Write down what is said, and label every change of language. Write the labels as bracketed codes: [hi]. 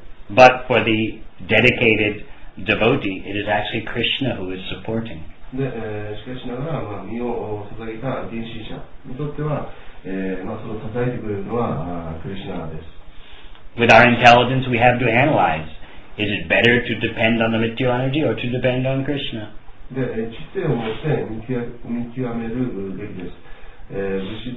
[en] But for the dedicated devotee, it is actually Krishna who is supporting. [ja] しかしながら、身を捧げた原始者にとってはそれを支えてくれるのはクリシナです。 [en] With our intelligence, we have to analyze: is it better to depend on the material energy or to depend on Krishna? [ja] で、知性を持って見極めるべきです。